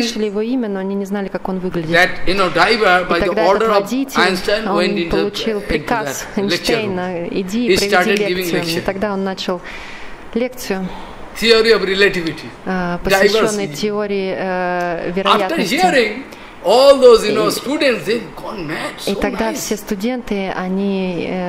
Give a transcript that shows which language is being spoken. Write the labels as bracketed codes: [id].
[ru] слышали его имя, но они не знали, как он выглядит. [en] That, you know, driver, [ru] и тогда этот водитель, [en] Einstein [ru] он получил приказ Эйнштейна, иди и проведи лекцию. И тогда он начал лекцию. [en] Theory of relativity. [ru] Посвященной теории вероятности. [en] After hearing all those, you know, students, they've gone mad. [ru] И тогда все студенты, они